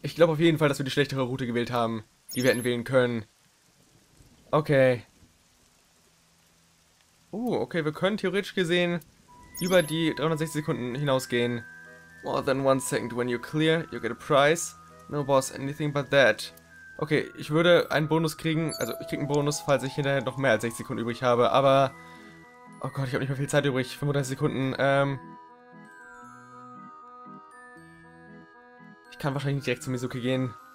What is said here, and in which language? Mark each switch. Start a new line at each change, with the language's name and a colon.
German: Ich glaube auf jeden Fall, dass wir die schlechtere Route gewählt haben, die wir hätten wählen können. Okay. Okay, wir können theoretisch gesehen über die 360 Sekunden hinausgehen.
English: More than 1 second when you're clear, you get a prize. No boss, anything but that.
German: Okay, ich würde einen Bonus kriegen, also ich kriege einen Bonus, falls ich hinterher noch mehr als 60 Sekunden übrig habe, aber... Oh Gott, ich habe nicht mehr viel Zeit übrig, 35 Sekunden, ich kann wahrscheinlich nicht direkt zu Mizuki gehen.